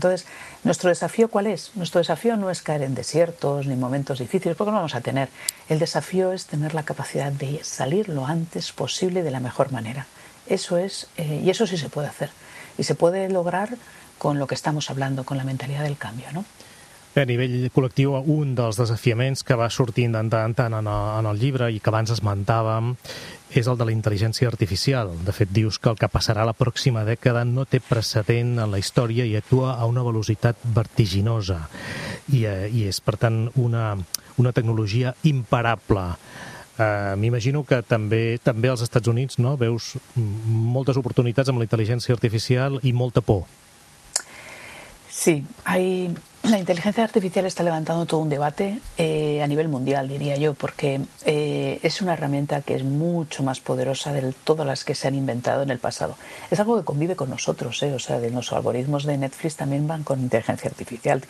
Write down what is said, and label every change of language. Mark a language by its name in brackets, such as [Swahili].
[Spanish] Entonces, ¿nuestro desafío cuál es? Nuestro desafío no es caer en desiertos ni momentos difíciles, porque no vamos a tener. El desafío es tener la capacidad de salir lo antes posible de la mejor manera. Eso es, y eso sí se puede hacer. Y se puede lograr con lo que estamos hablando, con la mentalidad del cambio, ¿no? [Catalan] A nivell col·lectiu, un dels desafiaments que va sortint de tant en tant en el llibre i que abans esmentàvem és el de la intel·ligència artificial. De fet, dius que el que passarà la pròxima dècada no té precedent en la història i actua a una velocitat vertiginosa. I és, per tant, una tecnologia imparable. M'imagino que també als Estats Units, no, veus moltes oportunitats amb la intel·ligència artificial i molta por. [Spanish] Sí, la inteligencia artificial está levantando todo un debate a nivel mundial, diría yo, porque es una herramienta que es mucho más poderosa de todas las que se han inventado en el pasado. Es algo que convive con nosotros, ¿eh? O sea, de los algoritmos de Netflix también van con inteligencia artificial.